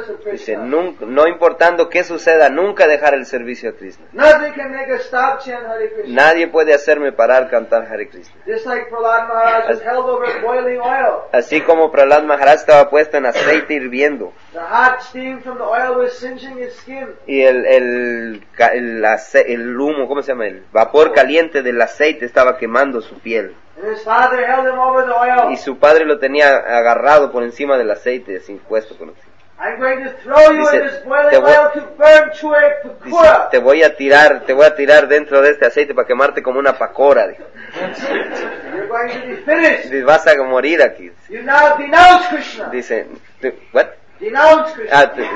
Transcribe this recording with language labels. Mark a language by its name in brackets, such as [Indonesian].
[Spanish] Dice, no importando qué suceda, nunca dejar el servicio a Krishna. [English] Nothing can make us stop chanting Hare Krishna. [Spanish] Nadie puede hacerme parar cantar Hare Krishna. [English] Just like Prahlad Maharaj was held over boiling oil. [Spanish] Así como Prahlad Maharaj estaba puesto en aceite hirviendo. [English] The hot steam from the oil was singeing his skin. [Spanish] Y el humo, ¿cómo se llama? El vapor caliente del aceite estaba quemando su piel. [English] And his father held him over the oil. [Spanish] Y su padre lo tenía agarrado por encima del aceite, así puesto con aceite. [English] I'm going to throw you in this boiling oil to burn Chuek Pakora. [Spanish] Te voy a tirar dentro de este aceite para quemarte como una pakora. [English] You're going to be finished. [Spanish] Vas a morir aquí. [English] You now denounce Krishna. [Spanish] Dice, what? [English] Denounce Krishna.